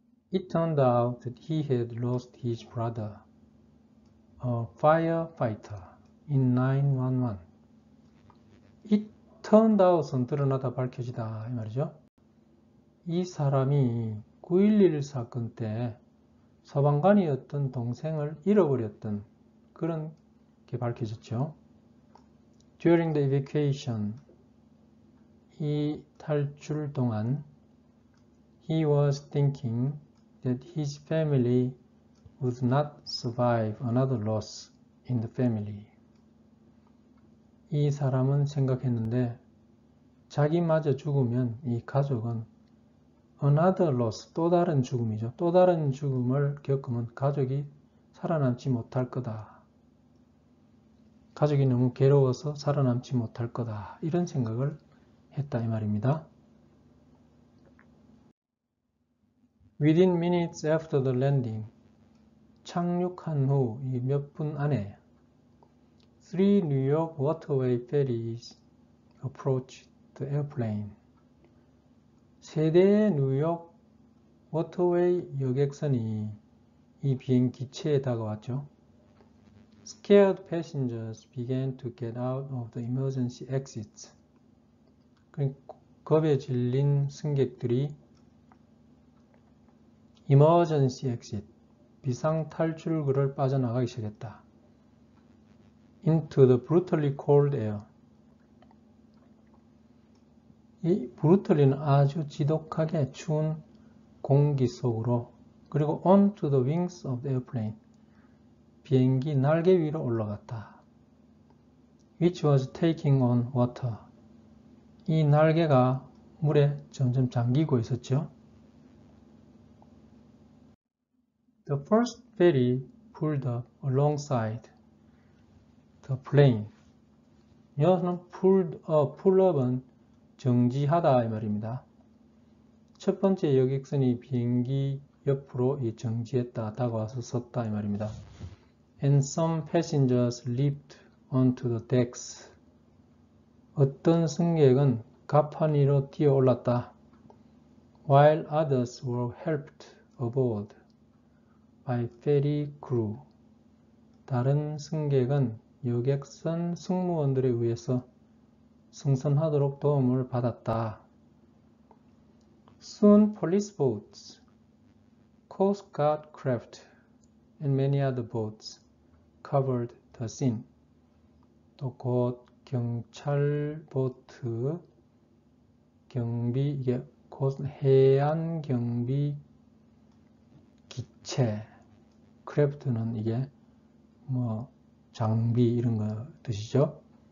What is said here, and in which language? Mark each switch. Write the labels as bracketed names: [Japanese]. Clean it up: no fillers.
[English] It turned out that he had lost his brother, a firefighter, in 911. It turned out [Korean] 은 드러나다 밝혀지다 이 말이죠. 이 사람이 911 사건 때 소방관이었던 동생을 잃어버렸던 그런 밝혀졌죠. [English] During the evacuation, [Korean] 이 탈출 동안, [English] he was thinking that his family would not survive another loss in the family. [Korean] 이 사람은 생각했는데, 자기마저 죽으면 이 가족은 another loss, 또 다른 죽음이죠. 또 다른 죽음을 겪으면 가족이 살아남지 못할 거다. 가족이 너무 괴로워서 살아남지 못할 거다. 이런 생각을 했다. 이 말입니다. [English] Within minutes after the landing, [Korean] 착륙한 후몇분 안에 [English] three New York Waterway ferries approached the airplane. [Korean] 세 대의 뉴욕 워터웨이 여객선이 이 비행기 기체에 다가왔죠. [English] Scared passengers began to get out of the emergency exits. [Korean] 겁에 질린 승객들이 emergency exit, 비상 탈출구를 빠져나가기 시작했다. [English] Into the brutally cold air. [Korean] 이 브루털리는 아주 지독하게 추운 공기 속으로, 그리고 [English] onto the wings of the airplane. [Korean] 비행기 날개 위로 올라갔다. [English] Which was taking on water. [Korean] 이 날개가 물에 점점 잠기고 있었죠. [English] The first ferry pulled up alongside the plane. [Korean] 여기서는 pull up은 정지하다 이 말입니다. 첫 번째 여객선이 비행기 옆으로 정지했다, 다가와서 섰다 이 말입니다. [English] And some passengers leaped onto the decks. [Korean] 어떤 승객은 갑판 위로 뛰어 올랐다. [English] While others were helped aboard by ferry crew. [Korean] 다른 승객은 여객선 승무원들에 의해서 승선하도록 도움을 받았다. [English] Soon police boats, coast guard craft, and many other boats covered the scene. [Korean] 또곧 경찰 보트, 경비, 이게 곧 해안 경비 기체, craft는 이게 뭐 장비 이런 거 뜻이죠.